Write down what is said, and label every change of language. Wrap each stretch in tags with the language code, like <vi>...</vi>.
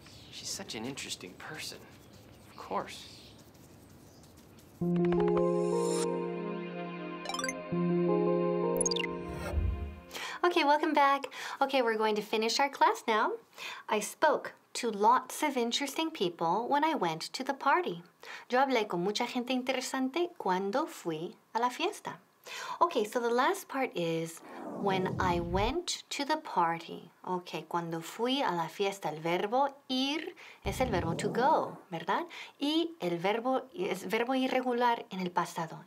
<en>She's such an interesting person. Of course. Okay, welcome back. Okay, we're going to finish our class now. I spoke to lots of interesting people when I went to the party.</en> <es>Yo hablé con mucha gente interesante cuando fui a la fiesta.</es> <en>Okay, so the last part is when I went to the party.</en> <es>Okay, cuando fui a la fiesta, el verbo ir es el verbo to go, ¿verdad? Y el verbo es verbo irregular en el pasado.</es>